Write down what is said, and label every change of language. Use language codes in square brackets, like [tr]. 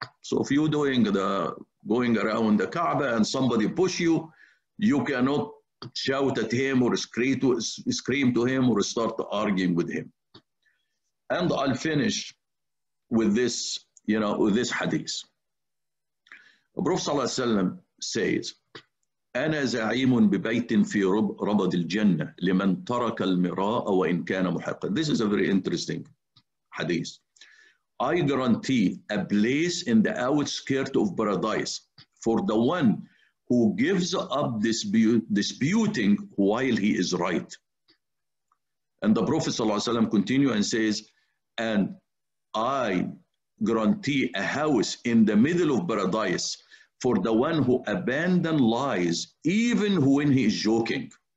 [en] So if you're doing the going around the Kaaba and somebody push you, you cannot shout at him or scream to him or start arguing with him. And I'll finish with this, you know, with this hadith. Prophet sallallahu alaihi wasallam says, [ar] أنا زعيم ببيت في ربض الجنة لمن ترك المراء وإن كان محقا. [en] This is a very interesting hadith. I guarantee a place in the outskirts of paradise for the one who gives up disputing while he is right. And the Prophet ﷺ continues and says, and I guarantee a house in the middle of paradise for the one who abandoned lies, even when he is joking.